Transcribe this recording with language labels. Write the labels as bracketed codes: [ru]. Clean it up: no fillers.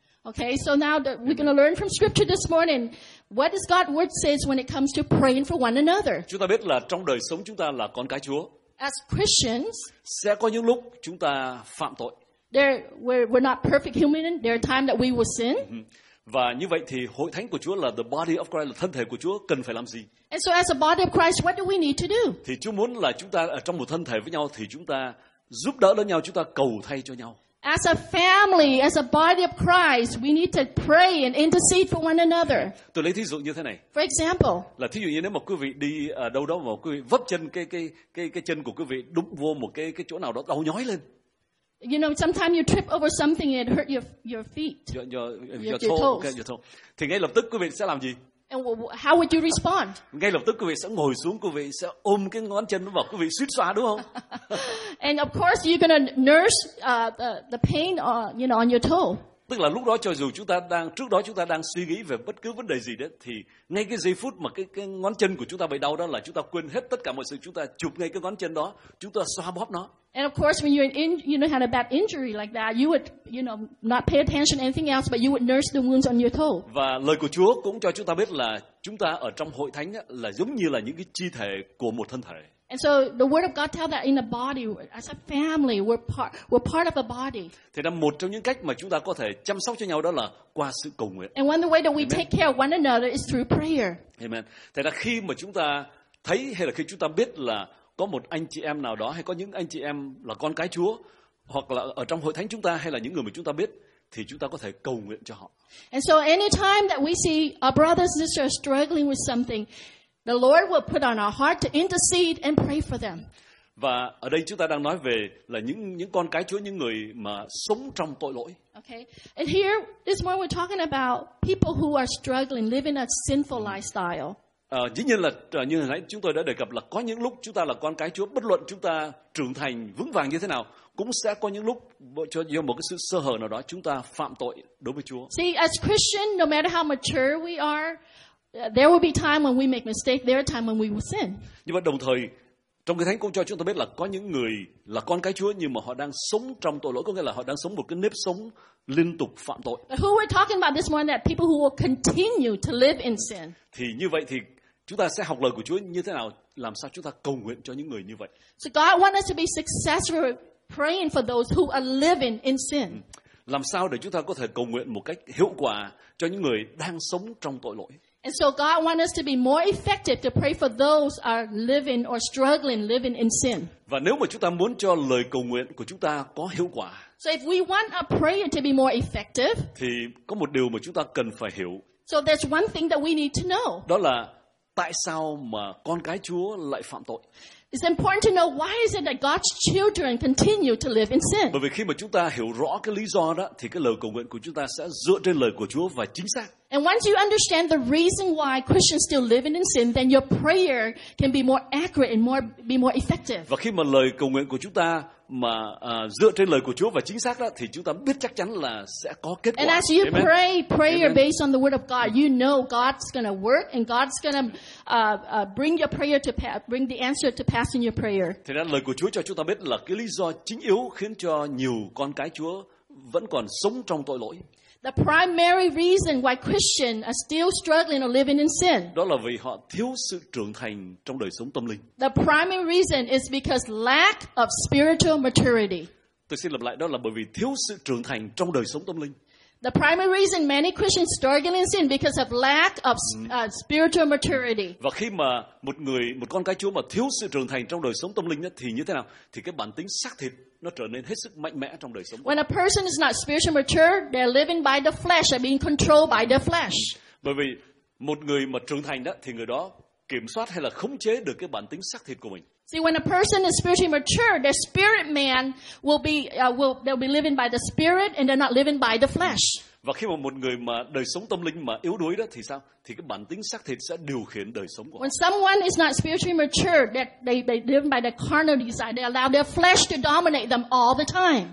[en] Okay, so now we're going to learn from scripture this morning. What does God's word says when it comes to praying for one another? [vi] Chúng ta biết là trong đời sống chúng ta là con cái Chúa. [en] As Christians, [vi] sẽ có những lúc chúng ta phạm tội. [en] We're not perfect human. There are times that we will sin. [vi] Và như vậy thì hội thánh của Chúa là [en] the body of Christ, [vi] là thân thể của Chúa, cần phải làm gì? [en] And so as a body of Christ, what do we need to do? [vi] Thì Chúa muốn là chúng ta ở trong một thân thể với nhau thì chúng ta giúp đỡ lẫn nhau, chúng ta cầu thay cho nhau. [en] As a family, as a body of Christ, we need to pray and intercede for one another. [vi] Tôi lấy thí dụ như thế này. [en] For example. [vi] Là thí dụ như nếu mà quý vị đi đâu đó mà quý vị vấp chân cái chân của quý vị đúng vô một cái chỗ nào đó đau nhói lên. [en] You know, sometimes you trip over something and it hurt your feet. Your toes. Okay, your toes. [vi] Thì ngay lập tức quý vị sẽ làm gì? [en] And how would you respond? [vi] Ngay lập tức quý vị sẽ ngồi xuống, quý vị sẽ ôm cái ngón chân vào, quý vị suýt xoa đúng không? [en] And of course you're going to nurse the pain on your toe. [vi] Tức là lúc đó cho dù chúng ta đang trước đó chúng ta đang suy nghĩ về bất cứ vấn đề gì đó thì ngay cái giây phút mà cái ngón chân của chúng ta bị đau đó là chúng ta quên hết tất cả mọi sự, chúng ta chụp ngay cái ngón chân đó, chúng ta xoa bóp nó. [en] And of course when you had a bad injury like that, you would not pay attention to anything else, but you would nurse the wounds on your toe. [vi] Và lời của Chúa cũng cho chúng ta biết là chúng ta ở trong hội thánh là giống như là những cái chi thể của một thân thể. [en] And so the word of God tells that in a body, as a family, we're part of a body. [vi] Thì là một trong những cách mà chúng ta có thể chăm sóc cho nhau đó là qua sự cầu nguyện. [en] And one of the ways that we take care of one another is through prayer. Amen. [vi] Thì là khi mà chúng ta thấy hay là khi chúng ta biết là có một anh chị em nào đó hay có những anh chị em là con cái Chúa hoặc là ở trong hội thánh chúng ta hay là những người mà chúng ta biết thì chúng ta có thể cầu nguyện cho họ. [en] And so anytime that we see our brothers and sisters struggling with something, the Lord will put on our heart to intercede and pray for them. [vi] Và ở đây chúng ta đang nói về là những con cái Chúa, những người mà sống trong tội lỗi. [en] Okay. And here this morning we're talking about people who are struggling living a sinful lifestyle. [vi] Dĩ nhiên là như hồi nãy chúng tôi đã đề cập là có những lúc chúng ta là con cái Chúa, bất luận chúng ta trưởng thành vững vàng như thế nào, cũng sẽ có những lúc cho do một cái sự sơ hở nào đó chúng ta phạm tội đối với Chúa. [en] See, as Christian, no matter how mature we are, there will be time when we make mistake, there are time when we will sin. [vi] Nhưng mà đồng thời trong cái thánh cũng cho chúng ta biết là có những người là con cái Chúa nhưng mà họ đang sống trong tội lỗi, có nghĩa là họ đang sống một cái nếp sống liên tục phạm tội. [en] But who we're talking about this morning, that people who will continue to live in sin. [vi] Thì như vậy thì chúng ta sẽ học lời của Chúa như thế nào, làm sao chúng ta cầu nguyện cho những người như vậy. [en] So God wants us to be successful praying for those who are living in sin. [vi] Làm sao để chúng ta có thể cầu nguyện một cách hiệu quả cho những người đang sống trong tội lỗi. [en] And so God wants us to be more effective to pray for those are living or struggling living in sin. [vi] Và nếu mà chúng ta muốn cho lời cầu nguyện của chúng ta có hiệu quả. [en] So if we want our prayer to be more effective. [vi] Thì có một điều mà chúng ta cần phải hiểu. [en] So there's one thing that we need to know. [vi] Đó là tại sao mà con cái Chúa lại phạm tội. [en] It's important to know why is it that God's children continue to live in sin. [vi] Bởi vì khi mà chúng ta hiểu rõ cái lý do đó thì cái lời cầu nguyện của chúng ta sẽ dựa trên lời của Chúa và chính xác. [en] And once you understand the reason why Christians still live in sin, then your prayer can be more accurate and be more effective. [vi] Và khi mà lời cầu nguyện của chúng ta mà dựa trên lời của Chúa và chính xác đó thì chúng ta biết chắc chắn là sẽ có kết quả. [en] And as you pray prayer based on the word of God, you know God's going to work and God's going to bring your prayer to pass, bring the answer to pass in your prayer. [vi] Thì đó, lời của Chúa cho chúng ta biết là cái lý do chính yếu khiến cho nhiều con cái Chúa vẫn còn sống trong tội lỗi. [en] The primary reason why Christians are still struggling or living in sin. [vi] Đó là vì họ thiếu sự trưởng thành trong đời sống tâm linh. [en] The primary reason is because lack of spiritual maturity. [vi] Tôi xin lặp lại, đó là bởi vì thiếu sự trưởng thành trong đời sống tâm linh. [en] The primary reason many Christians struggle in sin because of lack of spiritual maturity. [vi] Và khi mà một con cái Chúa mà thiếu sự trưởng thành trong đời sống tâm linh thì như thế nào? Thì cái bản tính xác thịt nó trở nên hết sức mạnh mẽ trong đời sống. [en] When a person is not spiritually mature, they're living by the flesh, they're being controlled by the flesh. [vi] Bởi vì một người mà trưởng thành đó thì người đó kiểm soát hay là khống chế được cái bản tính xác thịt của mình. [en] See, when a person is spiritually mature, their spirit man will be living by the spirit and they're not living by the flesh. [vi] Và khi mà một người mà đời sống tâm linh mà yếu đuối đó thì sao? Thì cái bản tính xác thịt sẽ điều khiển đời sống của họ. [en] When someone is not spiritually mature, that they live by the carnal desire, they allow their flesh to dominate them all the time.